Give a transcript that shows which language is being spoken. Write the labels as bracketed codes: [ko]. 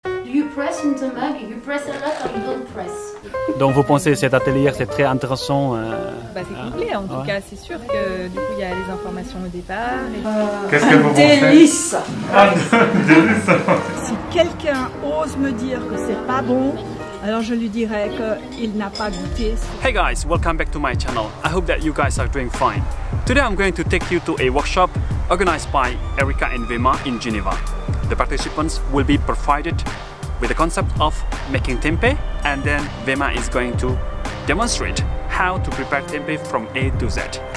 [en] press in the mug, you press a lot or you don't press. [fr] Donc vous pensez que cet atelier, c'est très intéressant C'est complet en tout cas, c'est sûr que du coup il y a les informations au départ. Qu'est-ce que vous pensez? Délice. Délice. Si quelqu'un ose me dire que c'est pas bon, alors je lui dirai qu'il n'a pas goûté. [en] Hey guys, welcome back to my channel. I hope that you guys are doing fine. Today I'm going to take you to a workshop organized by Erika and Vima in Geneva. The participants will be provided with the concept of making tempeh, and then Vima is going to demonstrate how to prepare tempeh from A to Z.